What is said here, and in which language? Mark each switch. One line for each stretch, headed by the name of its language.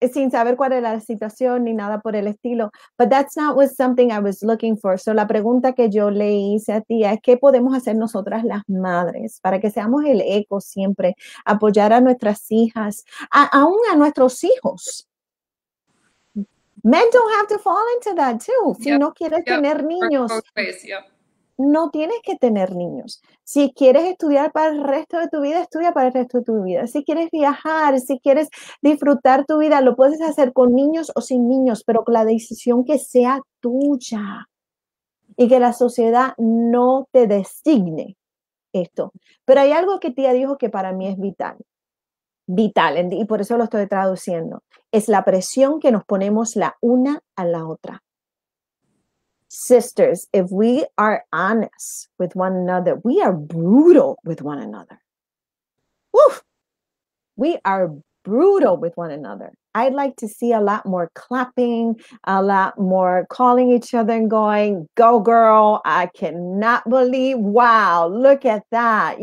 Spanish: Sin saber cuál era la situación ni nada por el estilo.
English: But that's not what something I was looking for.
Spanish: So la pregunta que yo le hice a ti es, ¿qué podemos hacer nosotras las madres para que seamos el eco siempre? Apoyar a nuestras hijas, aún a nuestros hijos.
English: Men don't have to fall into that too.
Spanish: Si yep. no quieres yep. tener niños, no tienes que tener niños. Si quieres estudiar para el resto de tu vida, estudia para el resto de tu vida. Si quieres viajar, si quieres disfrutar tu vida, lo puedes hacer con niños o sin niños, pero con la decisión que sea tuya y que la sociedad no te designe esto. Pero hay algo que tía dijo que para mí es vital. Vital, y por eso lo estoy traduciendo, es la presión que nos ponemos la una a la otra.
English: Sisters, if we are honest with one another, we are brutal with one another. Woof! We are brutal with one another. I'd like to see a lot more clapping, a lot more calling each other and going, go girl, I cannot believe, wow, look at that.